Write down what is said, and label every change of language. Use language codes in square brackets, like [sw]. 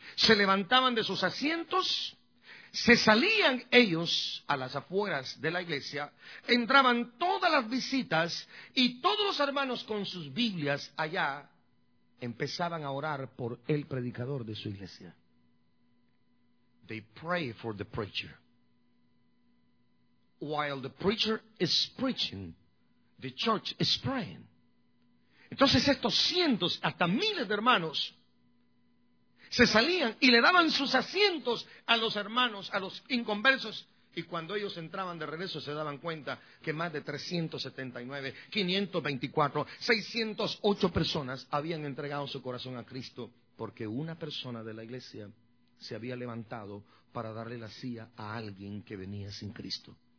[es] Se levantaban de sus asientos, se salían ellos a las afueras de la iglesia, entraban todas las visitas y todos los hermanos con sus Biblias allá empezaban a orar por el predicador de su iglesia. [en] They pray for the preacher. While the preacher is preaching, the church is praying. [es] Entonces estos cientos, hasta miles de hermanos, se salían y le daban sus asientos a los hermanos, a los inconversos. Y cuando ellos entraban de regreso se daban cuenta que más de 379, 524, 608 personas habían entregado su corazón a Cristo porque una persona de la iglesia se había levantado para darle la silla a alguien que venía sin Cristo.